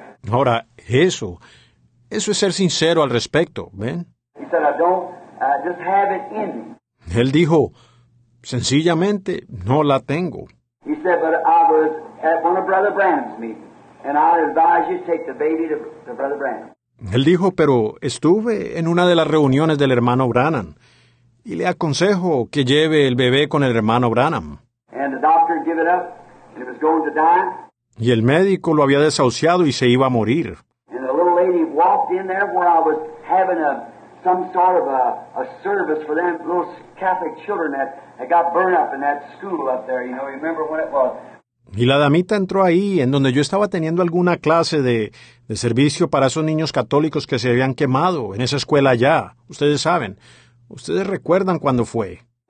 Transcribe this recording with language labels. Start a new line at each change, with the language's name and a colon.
Spanish: Ahora, eso. Eso es ser sincero al respecto, ¿ven?
English: He said, I just have it in me.
Spanish: Él dijo, sencillamente, no la tengo.
English: He said, but I was at one of Brother Branham's meetings, and I advise you to take the baby to Brother Branham.
Spanish: Él dijo, pero estuve en una de las reuniones del hermano Branham y le aconsejo que lleve el bebé con el hermano Branham.
English: And the doctor gave it up and it was going to die.
Spanish: Y el médico lo había desahuciado y se iba a morir.
English: And the little lady walked in there where I was having some sort of a service for them little Catholic children that got burned up in that school up there. You know, remember what it was?
Spanish: Y la damita entró ahí, en donde yo estaba teniendo alguna clase de servicio para esos niños católicos que se habían quemado en esa escuela allá. Ustedes saben. Ustedes recuerdan cuando fue.